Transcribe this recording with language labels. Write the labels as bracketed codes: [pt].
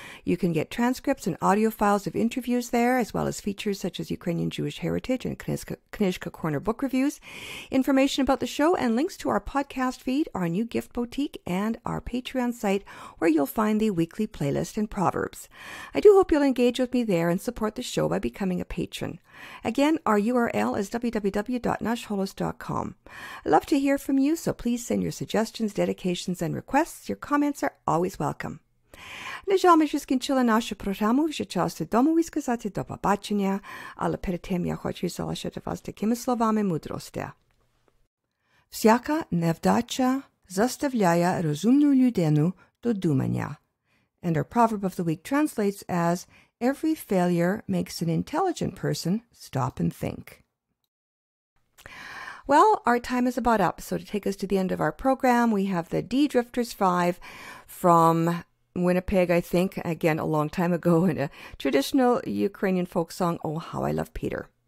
[en] You can get transcripts and audio files of interviews there, as well as features such as Ukrainian Jewish Heritage and Knishka Corner book reviews, information about the show, and links to our podcast feed, our new gift boutique, and our Patreon site, where you'll find the weekly playlist and proverbs. I do hope you'll engage with me there and support the show by becoming a patron. Again, our URL is www.nashholos.com. I'd love to hear from you, so please send your suggestions, dedications, and requests. Your comments are always welcome. [uk] Нажал ми ще скінчили нашу програму. Вже час додому і сказати до побачення, але перед тим я хочу залишити вас такими словами мудрості. Всяка невдача заставляє розумну людину до думання. [en] And our proverb of the week translates as, every failure makes an intelligent person stop and think. Well, our time is about up, so to take us to the end of our program, we have the D-Drifters 5 from Winnipeg, I think, again, a long time ago, in a traditional Ukrainian folk song, Oh, How I Love Peter.